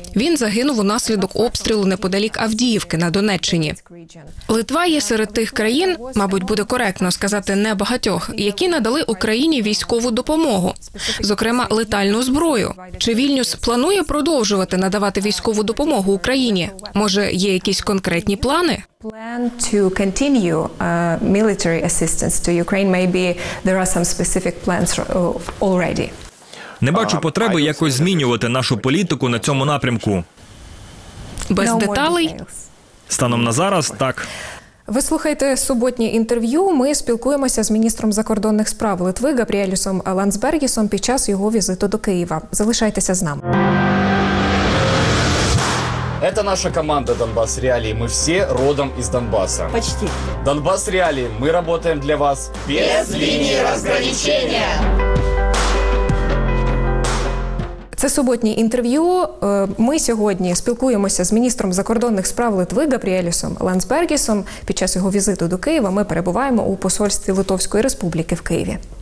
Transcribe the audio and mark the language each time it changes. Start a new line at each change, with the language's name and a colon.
Ukrainian: Він загинув унаслідок обстрілу неподалік Авдіївки на Донеччині. Литва є серед тих країн, мабуть, буде коректно сказати небагатьох, які надали Україні військову допомогу, зокрема летальну зброю. Чи Вільнюс планує продовжувати надавати військову допомогу Україні? Може, є якісь конкретні плани?
English: Plan to continue military assistance to Ukraine. Maybe there are some specific plans already.
Ukrainian: Не бачу потреби якось змінювати нашу політику на цьому напрямку. Без деталей? Станом на зараз, так. Ви слухаєте суботнє інтерв'ю. Ми спілкуємося з міністром закордонних справ Литви Габріелюсом Ландсбергісом під час його візиту до Києва. Залишайтеся з нами.
Russian: Это наша команда «Донбасс Реалии». Мы все родом из Донбасса. Почти. «Донбасс Реалии». Мы работаем для вас. Без линии разграничения.
Ukrainian: Це суботнє інтерв'ю. Ми сьогодні спілкуємося з міністром закордонних справ Литви Габріелісом Ландсбергісом. Під час його візиту до Києва ми перебуваємо у посольстві Литовської Республіки в Києві.